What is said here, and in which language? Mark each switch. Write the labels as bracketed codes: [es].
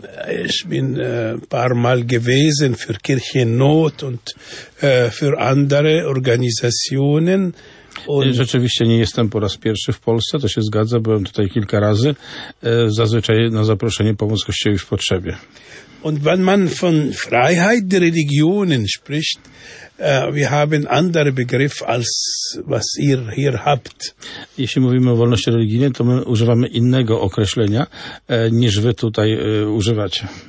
[de] Ich bin paar Mal gewesen für Kirchennot und für andere Organisationen. [pl] Rzeczywiście nie jestem po raz pierwszy w Polsce, to się zgadza, byłem tutaj kilka razy, zazwyczaj na zaproszenie Pomoc Kościołowi w Potrzebie. [de] Und wenn man von Freiheit der Religionen spricht, wir haben andere Begriff als was ihr hier habt. [pl] Jeśli mówimy o wolności religijnej, to my używamy innego określenia, niż wy tutaj używacie.